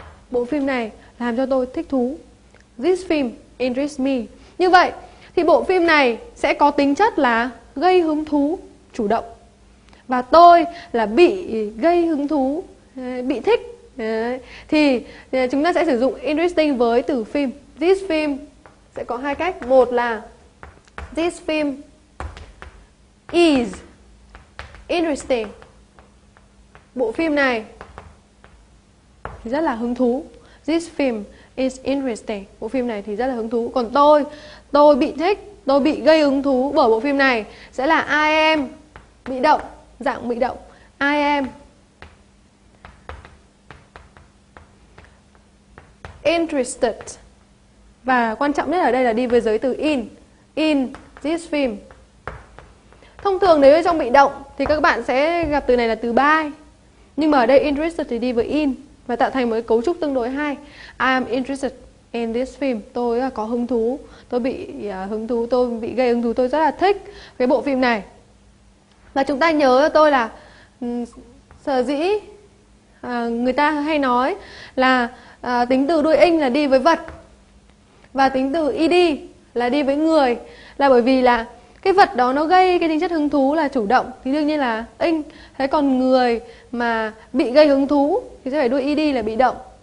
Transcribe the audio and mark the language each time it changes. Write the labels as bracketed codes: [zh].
[vi] Bộ phim này làm cho tôi thích thú. [en] This film interests me. [vi] Như vậy thì bộ phim này sẽ có tính chất là gây hứng thú chủ động. Và tôi là bị gây hứng thú, bị thích. Thì chúng ta sẽ sử dụng interesting với từ phim. This film sẽ có hai cách. [en] Một là this film is interesting. [vi] Bộ phim này rất là hứng thú. [en] This film is interesting. [vi] Bộ phim này thì rất là hứng thú. Còn tôi bị thích, tôi bị gây hứng thú bởi bộ phim này sẽ là I am bị động. Dạng bị động, [en] I am interested. [vi] Và quan trọng nhất ở đây là đi với giới từ in. [en] In this film. [vi] Thông thường nếu trong bị động thì các bạn sẽ gặp từ này là từ by. Nhưng mà ở đây interested thì đi với in và tạo thành một cái cấu trúc tương đối hay. [en] I am interested in this film. [vi] Tôi có hứng thú, tôi bị hứng thú, tôi bị gây hứng thú, tôi rất là thích cái bộ phim này. Và chúng ta nhớ cho tôi là sở dĩ người ta hay nói là tính từ đuôi in là đi với vật và tính từ ed là đi với người, là bởi vì là cái vật đó nó gây cái tính chất hứng thú là chủ động thì đương nhiên là in, thế còn người mà bị gây hứng thú thì sẽ phải đuôi ed là bị động.